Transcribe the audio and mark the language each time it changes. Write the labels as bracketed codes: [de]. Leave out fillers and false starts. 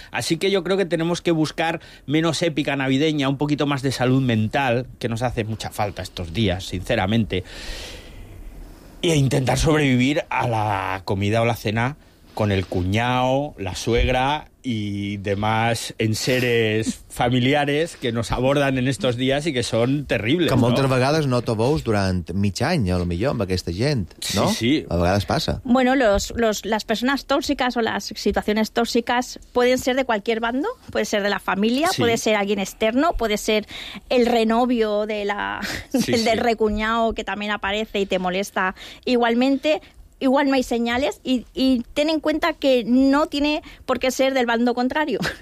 [es] Así que yo creo que tenemos que buscar menos épica navideña, un poquito más de salud mental, que nos hace mucha falta estos días, sinceramente, e intentar sobrevivir a la comida o la cena con el cuñado, la suegra y demás enseres familiares que nos aborden en estos días [ca] i que són terribles, que moltes vegades no te veus durant mig any, a lo millor, amb aquesta gent, no? Sí, sí. A vegades passa. [es] Bueno, las personas tóxicas o las situaciones tóxicas pueden ser de cualquier bando, puede ser de la familia, sí. Puede ser alguien externo, puede ser el renovio de del recuñado que también aparece y te molesta igualmente. Igual no hay señales y ten en cuenta que no tiene por qué ser del bando contrario.